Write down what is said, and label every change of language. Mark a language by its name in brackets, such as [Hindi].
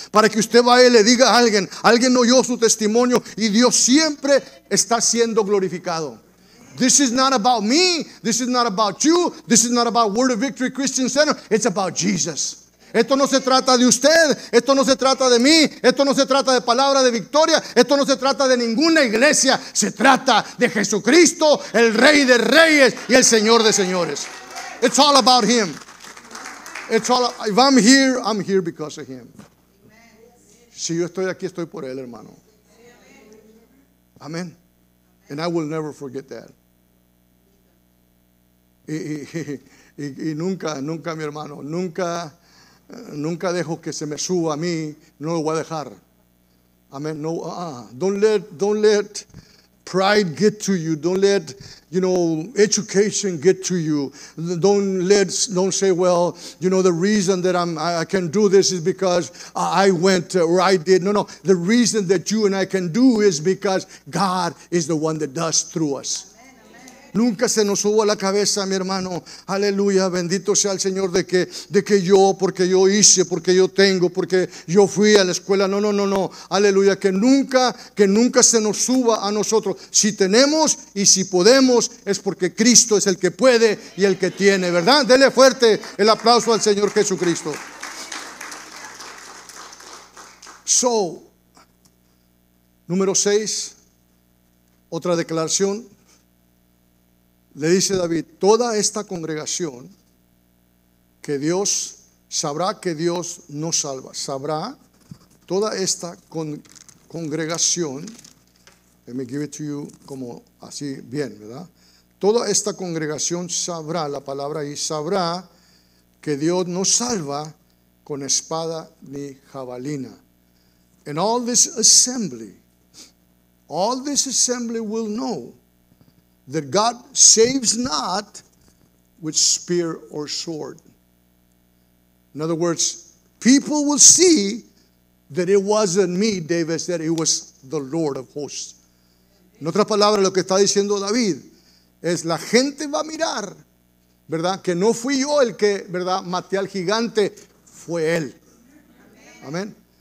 [Spanish] Para que usted vaya y le diga a alguien. Alguien oyó su testimonio y Dios siempre está siendo glorificado. [English] This is not about me. This is not about you. This is not about Word of Victory Christian Center. It's about Jesus. [Spanish] Esto no se trata de usted. Esto no se trata de mí. Esto no se trata de palabra de victoria. Esto no se trata de ninguna iglesia. Se trata de Jesucristo, el Rey de Reyes y el Señor de Señores. [English] It's all about Him. It's all, if I'm here, I'm here because of him. [Spanish] Si yo estoy aquí, estoy por él, hermano. [English] Amen. And I will never forget that. [Spanish] Y nunca, mi hermano, nunca dejo que se me suba a mí. No lo voy a dejar. Amen. [English] No, don't let pride get to you. Don't let, you know, education get to you. Don't say, well, you know, the reason that I can do this is because I went or I did. No, the reason that you and I can do is because God is the one that does through us. [Spanish] Nunca se nos subió a la cabeza, mi hermano. Aleluya, bendito sea el Señor de que yo, porque yo hice, porque yo tengo, porque yo fui a la escuela. No. Aleluya, que nunca se nos suba a nosotros. Si tenemos y si podemos, es porque Cristo es el que puede y el que tiene, ¿verdad? Dele fuerte el aplauso al Señor Jesucristo. So, número 6, otra declaración. Le dice David: toda esta congregación que Dios sabrá que Dios nos salva. Sabrá toda esta congregación. [English] Let me give it to you [Spanish] como así bien, ¿verdad? Toda esta congregación sabrá, la palabra ahí, sabrá que Dios nos salva con espada ni jabalina. [English] And all this assembly will know that God saves not with spear or sword. In other words, people will see that it wasn't me, David said, it was the Lord of hosts. [Spanish] En otras palabras, lo que está diciendo David es la gente va a mirar, ¿verdad? Que no fui yo el que, ¿verdad? Maté al gigante, fue él. Amén.